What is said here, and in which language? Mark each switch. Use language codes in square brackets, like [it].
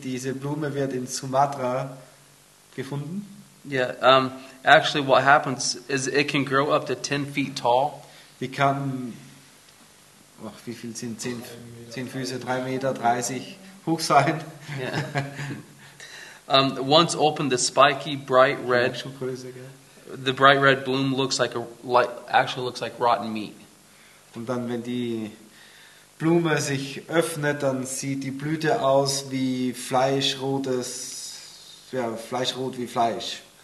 [de] Diese Blume wird in Sumatra gefunden. [en] Yeah, actually what happens is it can grow up to 10 feet tall. [de] Die kann, ach, wie viel sind 10 Füße, 3 Meter, 30 hoch sein. [en] Yeah. Once open, the spiky, bright red, the bright red bloom looks like actually looks like rotten meat. [de] Und dann, wenn die Blume sich öffnet, dann sieht die Blüte aus wie fleischrotes, ja, fleischrot wie Fleisch.